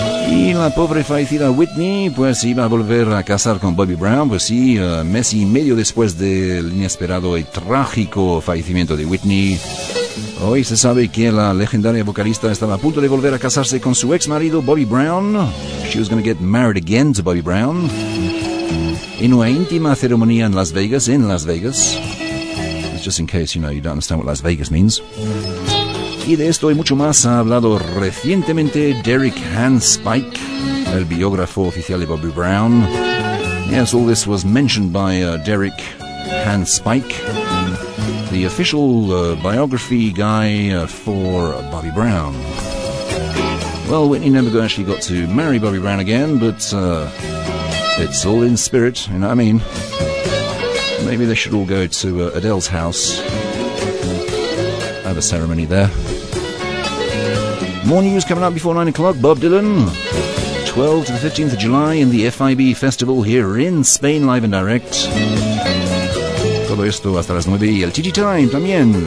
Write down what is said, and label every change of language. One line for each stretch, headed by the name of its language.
Spanish: Y la pobre fallecida Whitney, pues iba a volver a casar con Bobby Brown, pues sí, mes y medio después del inesperado y trágico fallecimiento de Whitney. Hoy se sabe que la legendaria vocalista estaba a punto de volver a casarse con su ex marido Bobby Brown.
English: She was going to get married again to Bobby Brown.
Spanish: En una íntima ceremonia en Las Vegas,
English: It's just in case, you know, you don't understand what Las Vegas means.
Spanish: Y de esto y mucho más ha hablado recientemente Derek Hanspike, el biógrafo oficial de Bobby Brown.
English: Yes, all this was mentioned by Derek Hanspike, the official biography guy for Bobby Brown. Well, Whitney never actually got to marry Bobby Brown again, but it's all in spirit, you know what I mean? Maybe they should all go to Adele's house. Have a ceremony there. More news coming up before 9 o'clock. Bob Dylan, 12th to the 15th of July in the FIB Festival here in Spain, live and direct.
Spanish: Todo esto hasta las 9 y el TG Time también.